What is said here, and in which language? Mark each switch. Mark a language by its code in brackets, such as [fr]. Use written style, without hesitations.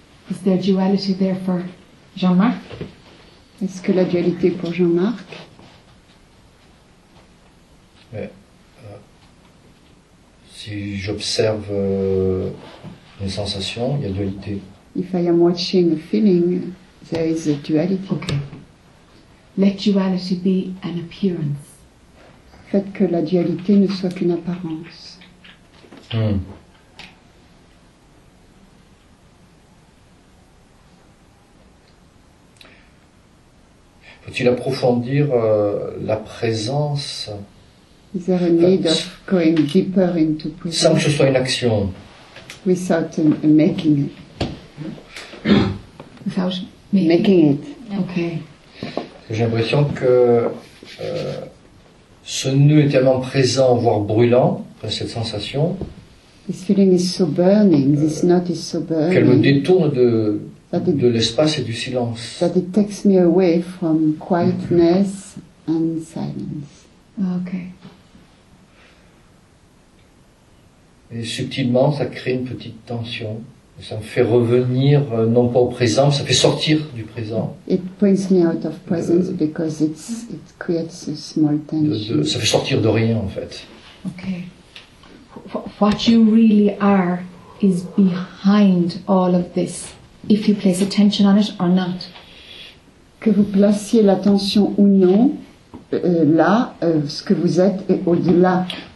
[en] Is there duality there for Jean-Marc? [fr] Est-ce que la dualité pour Jean-Marc? Mais, si j'observe une sensation, il y a dualité. [en] If I am watching a feeling, there is a duality. Okay. Let duality be an appearance. [fr] Faites que la dualité ne soit qu'une apparence. Faut-il approfondir la présence? [en] Is there a need of going deeper into presence? [fr] Sans que ce soit une action. [en] Without making it. Without making it. Okay. [fr] J'ai l'impression que ce nœud est tellement présent, voire brûlant, cette sensation. [en] This feeling is so burning. This knot is so burning. [fr] Qu'elle me détourne de l'espace et du silence. [en] That it takes me away from quietness and silence. Okay. [fr] Et subtilement, ça crée une petite tension. Ça me fait revenir non pas au présent, ça fait sortir du présent. [en] It brings me out of presence because it creates a small tension. [fr] Ça fait sortir de rien en fait. [en] Okay. What you really are is behind all of this, if you place attention on it or not. [fr] Que vous placiez l'attention ou non, là, ce que vous êtes est au-delà.